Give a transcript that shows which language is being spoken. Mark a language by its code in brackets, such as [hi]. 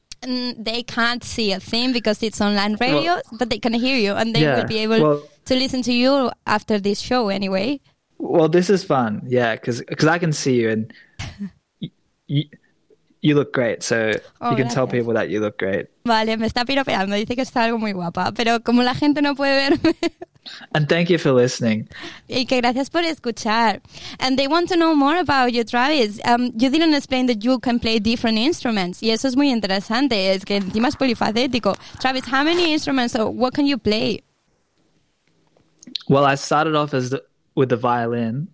[en] They can't see a thing because it's online radio, but they can hear you, and they will be able to listen to you after this show anyway. Well, this is fun, yeah, because I can see you, and you look great, so you can tell people that you look great. [es] Vale, me está piropeando, dice que está algo muy guapa, pero como la gente no puede verme. [en] And thank you for listening. [es] Y que gracias por escuchar. [en] And they want to know more about you, Travis. You didn't explain that you can play different instruments, [es] y eso es muy interesante, es que encima es polifacético. [en] Travis, how many instruments, or what can you play? Well, I started off with the violin.